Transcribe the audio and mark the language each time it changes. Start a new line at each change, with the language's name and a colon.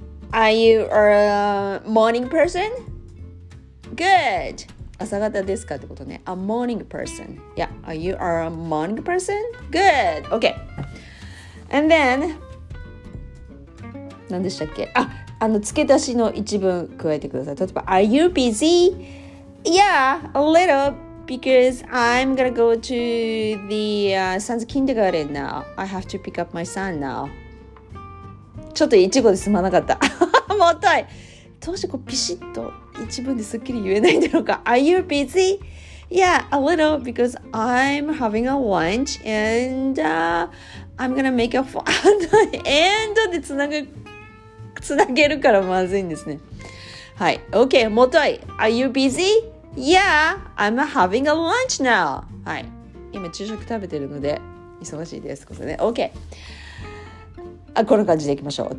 English: Are you a morning person? Good!
Japanese: 朝方ですかってことね。
English: A morning person. Yeah, are you a morning person? Good! Okay. And then,
Japanese: 何でしたっけ？あ、あの付け足しの一文加えてください。
English: 例えば、Are you busy? Yeah, a little, because I'm gonna go to the son's kindergarten now. I have to pick up my son now.
Japanese: ちょっと一語で済まなかった。もったい。どうしてこうピシッと一文ですっきり言えないんだろうか。
English: Are you busy? Yeah, a little because I'm having a lunch and I'm gonna make a phone.
Japanese: and でつなげるからまずいんですね。
English: はい。OK, もったい。Are you busy? Yeah, I'm having a lunch now. はい。
Japanese: 今昼食食べてるので忙しいです。ここで、ね、OK。あ、この感じでいきましょう。